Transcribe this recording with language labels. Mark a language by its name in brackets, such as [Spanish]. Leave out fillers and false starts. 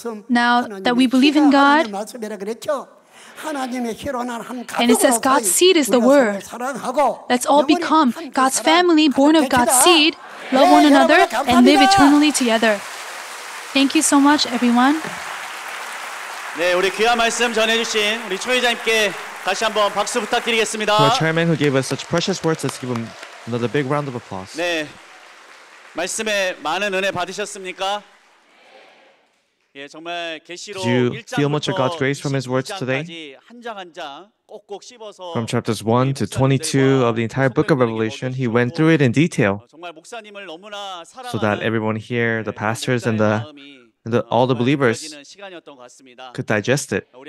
[English] Now that we believe in God, and it says God's seed is the Word, let's all become God's family, born of God's seed, love one another, and live eternally together. Thank you so much, everyone. [Korean] 네, 우리 귀한 말씀 전해주신 우리 초회장님께 다시 한번 박수 부탁드리겠습니다. [English] For our chairman who gave us such precious words, let's give him another big round of applause. [Korean] 네, 말씀에 많은 은혜 받으셨습니까? 예, 정말 계시록 1장부터 [English] Did you feel much of God's grace from His words today? [Korean] 한장 한장 꼭꼭 씹어서 [English] From chapters 1 to 22 of the entire book of Revelation, He went through it in detail. [Korean] 정말 목사님을 너무나 사랑하는 [English] So that everyone here, the pastors and all the believers could digest it.